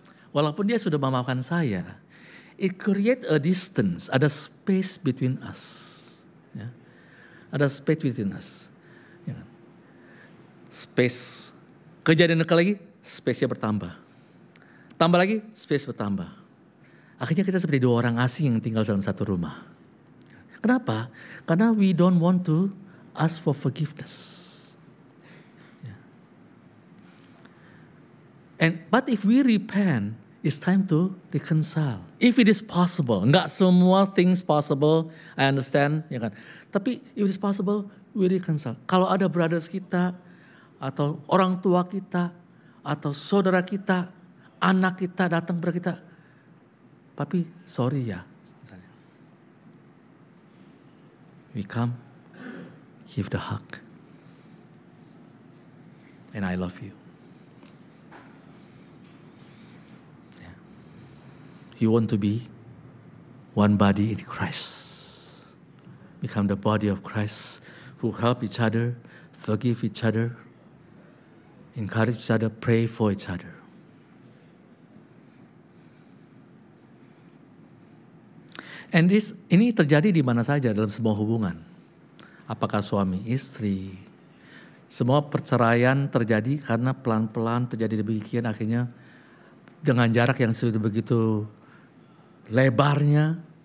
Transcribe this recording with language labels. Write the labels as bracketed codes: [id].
[id] Walaupun dia sudah memaafkan saya, [en] it create a distance, [id] ada space [en] between us. [id] Ya. Ada [en] space between us. Ya. Space. [id] Kejadian dekat lagi, space-nya bertambah. Tambah lagi, space bertambah. Akhirnya kita seperti dua orang asing yang tinggal dalam satu rumah. Kenapa? Karena [en] we don't want to ask for forgiveness. Ya. But if we repent, it's time to reconcile. If it is possible, [id] enggak semua [en] things possible, I understand, ya kan? [id] Tapi [en] if it is possible, we reconcile. [id] Kalau ada brothers kita, atau orang tua kita, atau saudara kita, anak kita datang kepada kita, "Papi, sorry ya." [en] We come, give the hug, and I love you. Yeah. You want to be one body in Christ. Become the body of Christ, who help each other, forgive each other, encourage each other, pray for each other. And this, [id] ini terjadi di mana saja dalam semua hubungan. Apakah suami, istri. Semua perceraian terjadi karena pelan-pelan terjadi demikian. Akhirnya dengan jarak yang sudah begitu lebarnya.